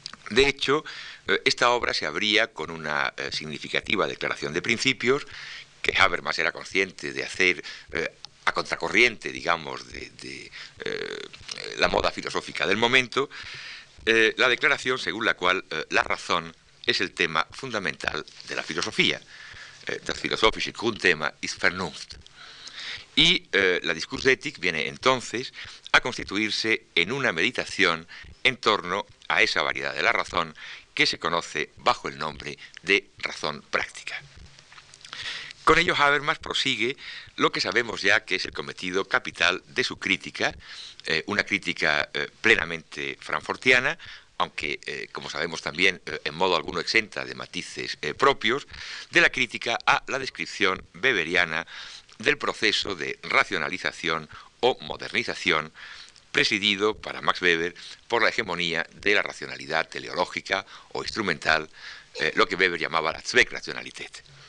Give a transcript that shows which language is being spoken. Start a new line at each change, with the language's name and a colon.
Spanish: De hecho, esta obra se abría con una significativa declaración de principios que Habermas era consciente de hacer a contracorriente, digamos, de la moda filosófica del momento, la declaración según la cual la razón es el tema fundamental de la filosofía.
German: Das philosophische Grundthema ist Vernunft.
Spanish: Y la Discours d'éthique viene entonces a constituirse en una meditación en torno a esa variedad de la razón que se conoce bajo el nombre de razón práctica. Con ello, Habermas prosigue lo que sabemos ya que es el cometido capital de su crítica, una crítica plenamente frankfurtiana, aunque, como sabemos también, en modo alguno exenta de matices propios, de la crítica a la descripción weberiana del proceso de racionalización o modernización, presidido para Max Weber por la hegemonía de la racionalidad teleológica o instrumental, lo que Weber llamaba la Zweckrationalität.